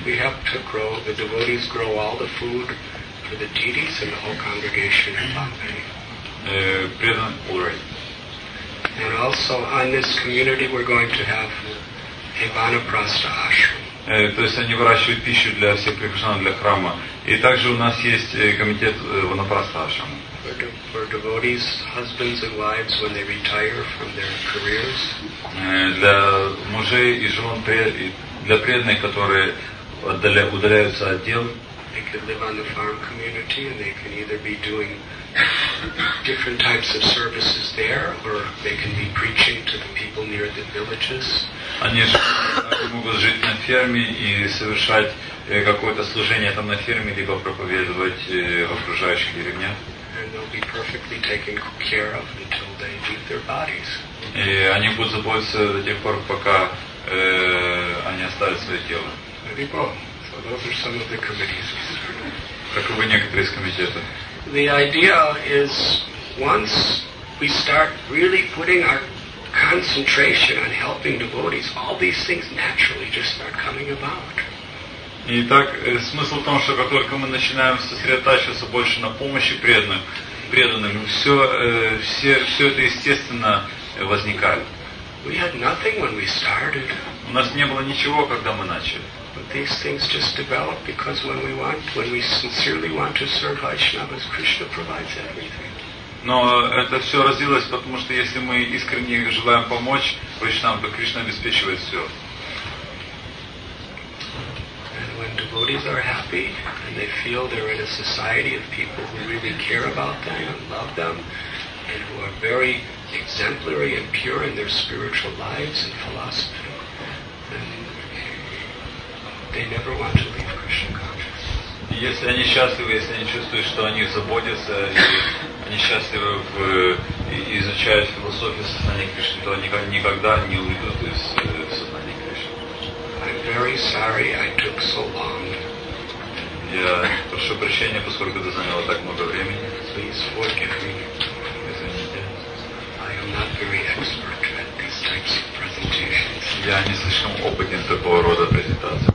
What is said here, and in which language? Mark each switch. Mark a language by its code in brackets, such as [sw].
[en] We have to grow, the devotees grow all the food for the deities and the whole congregation in Bombay. And also on this community we're going to have a vanaprastha ashram. [ru] То есть они выращивают пищу для всех прихожан, для храма. И также у нас есть комитет ванапрастха ашрам. [en] For devotees, husbands and wives, when they retire from their careers. [ru] Для мужей и жен, для преданных, которые удаляются от дел. [en] They can live on the farm community, and they can either be doing different types of services there, or they can be preaching to the people near the villages. [ru] Они могут жить на ферме и совершать какое-то служение там на ферме, либо проповедовать в окружающих деревнях. [en] And they'll be perfectly taken care of until they leave their bodies. [ru] И они будут заботиться до тех пор, пока они оставят свое тело. [en] Maybe both. those are some of the committees we serve. [ru] Каковы некоторые из комитетов? [en] The idea is once we start really putting our concentration on helping devotees, all these things naturally just start coming about. [ru] И так смысл в том, что как только мы начинаем сосредотачиваться больше на помощи преданным, все это естественно возникает. [en] We had nothing when we started. [ru] У нас не было ничего, когда мы начали. [en] But these things just develop because when we sincerely want to serve Vaishnavas, Krishna provides everything. [ru] Но это все развилось, потому что если мы искренне желаем помочь Вайшнавам, то Кришна обеспечивает все. [en] When devotees are happy and they feel they're in a society of people who really care about them and love them and who are very exemplary and pure in their spiritual lives and philosophy, then they never want to leave Krishna consciousness. [ru] Если они счастливы, если они чувствуют, что о них заботятся, они счастливы в изучают философию сознания Кришны, то они никогда не уйдут из сознания. [en] I'm very sorry I took so long. [ru] Я прошу прощения, поскольку это заняло так много времени. [en] Please forgive me. [ru] Извините. [en] I am not very expert at these types of presentations. [ru] Я не слишком опытен такого рода презентациях.